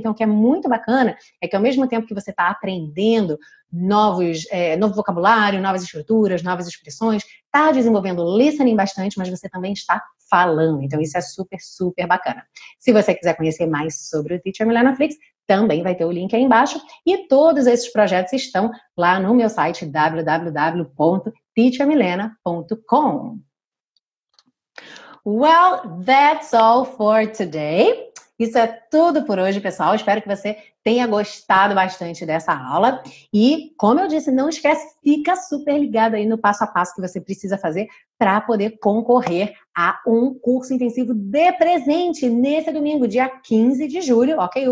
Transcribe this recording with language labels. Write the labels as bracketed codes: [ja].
[pt] Então, o que é muito bacana é que ao mesmo tempo que você está aprendendo novo vocabulário, novas estruturas, novas expressões, está desenvolvendo listening bastante, mas você também está falando. Então, isso é super, super bacana. Se você quiser conhecer mais sobre o Teacher Milena Flix, também vai ter o link aí embaixo. E todos esses projetos estão lá no meu site www.teachermilena.com. [en] Well, that's all for today. [pt] Isso é tudo por hoje, pessoal. Espero que você tenha gostado bastante dessa aula. E, como eu disse, não esquece, fica super ligado aí no passo a passo que você precisa fazer para poder concorrer a um curso intensivo de presente nesse domingo, dia 15 de julho, ok?